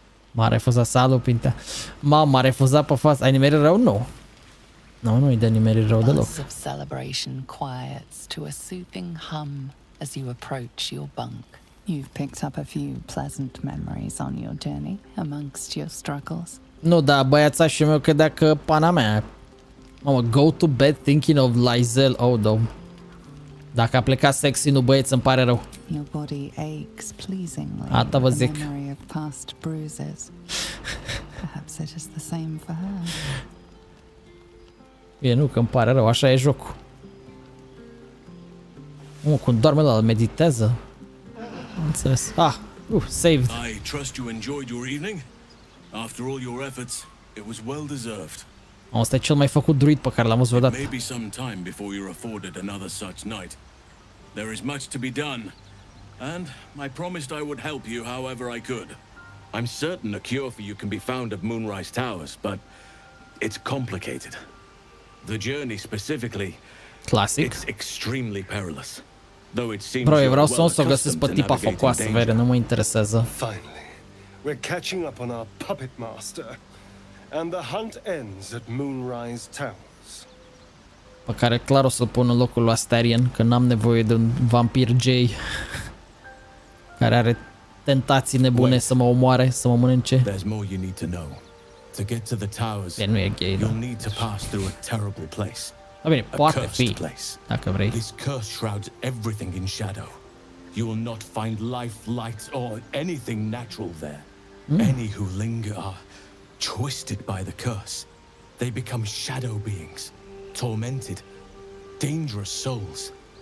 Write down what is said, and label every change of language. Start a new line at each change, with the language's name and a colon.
Romanian: M-a refuzat, salut, Pinta. M-a refuzat pe față. Ai nimerit rău? Nu. Nu e de nimerit rău deloc.
English: Buzz of celebration quiets to a soothing hum as you approach your bunk. You've picked up a few pleasant memories on your journey amongst your struggles.
Romanian: Nu, da, băiața și meu credea că pana mea. Mamă,
English: go to bed thinking of Lysel,
Romanian: oh, dom. Dacă a plecat sexy, nu, băieț, îmi pare rău.
English: Your body aches pleasingly.
Romanian: Asta vă zic.
English: Memory of past bruises. Perhaps it is the same for her.
Romanian: E, nu, că îmi pare rău, așa e jocul. Mamă, cum doarme la meditează. Înțeles. Ah, saved.
English: I trust you enjoyed your evening. After all your efforts, it was well deserved.
Romanian: Asta e cel mai făcut druid pe care l-am văzut vreodată.
English: It may be some time before you're afforded another such night. There is much to be done. And I promised I would help you however I could. I'm certain a cure for you can be found at Moonrise Towers, but it's complicated. The journey specifically... Classic. It's extremely perilous. Though it seems...
Romanian: Bro, eu vreau să o găsesc pe tipa focoasă, vere, nu mă interesează.
English: Fine. We're catching up on our puppet master, and the hunt ends at Moonrise Towers.
Romanian: Pe care clar o să-l pun în locul lui Astarion, că n-am nevoie de un vampir Jay care are tentații nebune să mă omoare, să mă mănânce.
English: There's more you need to know. To get to the towers, you'll need to pass through a terrible place.
Romanian: A bine, poate fi, dacă vrei.
English: This curse shrouds everything in shadow. You will not find life, light, or anything natural there. Any who linger are twisted by the curse. They become shadow beings, tormented, dangerous souls.